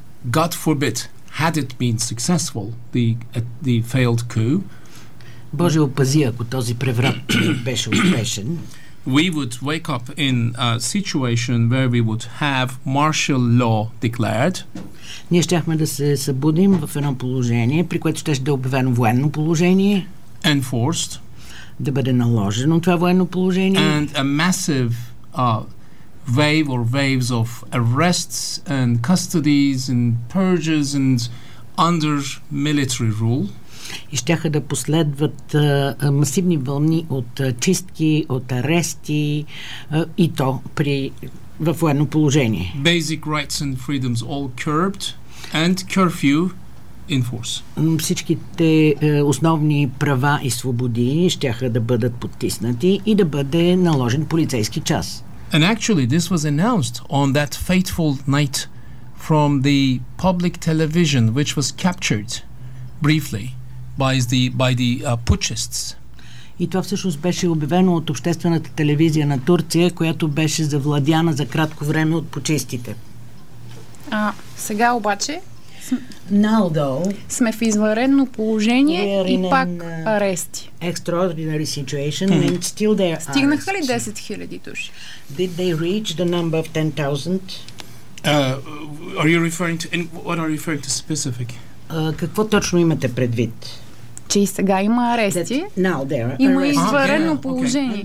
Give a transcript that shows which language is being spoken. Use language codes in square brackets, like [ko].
[en] God forbid, had it been successful, the failed coup. [bg] Боже опази, ако този преврат беше успешен. [en] We would wake up in a situation where we would have martial law declared. [bg] Ние щяхме да се събудим в едно положение, при което щеше да е обявено военно положение. [en] Enforced. [bg] Да бъде наложено това военно положение. [en] And a massive wave or waves of arrests and custodies and purges and under military rule. [bg] И щяха да последват масивни вълни от чистки, от арести и то при в военно положение. [en] Basic rights and freedoms all curbed and curfew in force. [bg] Всичките основни права и свободи щяха да бъдат потиснати и да бъде наложен полицейски час. [en] And actually this was announced on that fateful night from the public television which was captured briefly by the putschists. [bg] И това всъщност беше обявено от обществената телевизия на Турция, която беше завладяна за кратко време от путчистите. А сега обаче [en] Now though, [bg] сме в извънредно положение и пак арести. [en] Extraordinary situation mm-hmm. and still there are. [bg] Стигнаха ли 10 000 души? [en] Did they reach the number of 10,000? Are you referring to what are you referring to specific? [bg] Какво точно имате предвид? Че и сега има арести. [en] That now there are. [bg] Има извънредно положение.